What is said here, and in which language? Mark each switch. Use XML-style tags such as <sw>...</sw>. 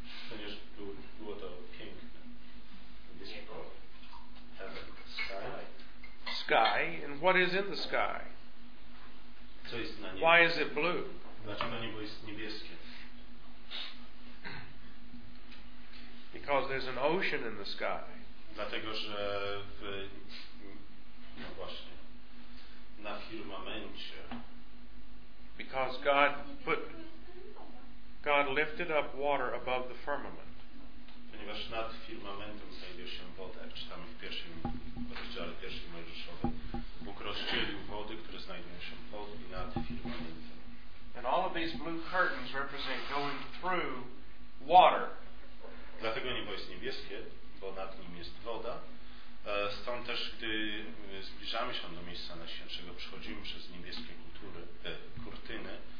<pl>Ponieważ było to piękne.</pl> <en>Heaven, sky. Sky, and what is in the sky?</en> <pl>Co jest na niebie?</pl> <en>Why is it blue?</en> <pl>Dlaczego niebo jest niebieskie?</pl> <en>Because there's an ocean in the sky.</en> <pl>Dlatego, że w, no właśnie, na firmamencie.</pl> <en>Because God put... God lifted up water above the firmament.</en> <pl>Ponieważ nad firmamentem znajduje się woda, jak czytamy w pierwszym rozdziale pierwszej Mojżeszowej. Bóg rozdzielił wody, które znajdują się pod i nad firmamentem.</pl> <en>And all of these blue curtains represent going through water.</en> <pl>Dlatego niebo jest niebieskie, bo nad nim jest woda. Stąd też, gdy zbliżamy się do miejsca najświętszego, przechodzimy przez niebieskie kurtyny.</pl>